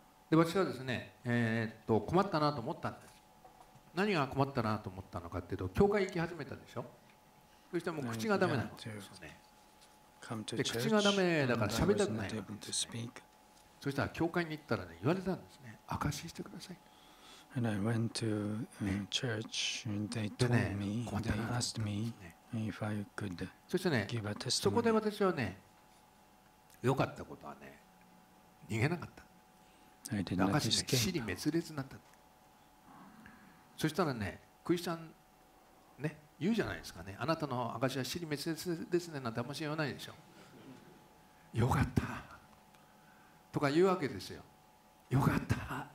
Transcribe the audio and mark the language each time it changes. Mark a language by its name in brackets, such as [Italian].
[Japanese] で、私はですね、困ったなと思ったんです。何が困ったなと思ったのかというと、教会行き始めたでしょ。そしてもう口がダメなんですね。で、口がダメだから喋りたくないわけですね。そしたら教会に行ったらね、言われたんですね、証ししてください。 [English] And I went to church and they told me, they asked me if I could give a testimony。 [Japanese] そこで私はね、良かったことはね、逃げなかった。なんか死に滅裂になった。そしたらね、クリスチャン、ね、言うじゃないですかね。あなたの証は死に滅裂ですね、なんてあんまし言わないでしょ。よかった。とか言うわけですよ。よかった。